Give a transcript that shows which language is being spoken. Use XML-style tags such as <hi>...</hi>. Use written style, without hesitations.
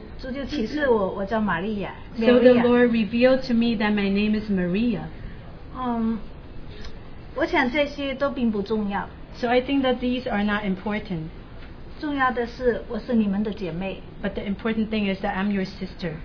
<zh>主就启示我，我叫玛利亚。</zh> <en>So the Lord revealed to me that my name is Maria.</en> <zh>我想这些都并不重要。</zh> <en>So I think that these are not important.</en> <zh>重要的是我是你们的姐妹。</zh> <en>But the important thing is that I'm your sister.</en>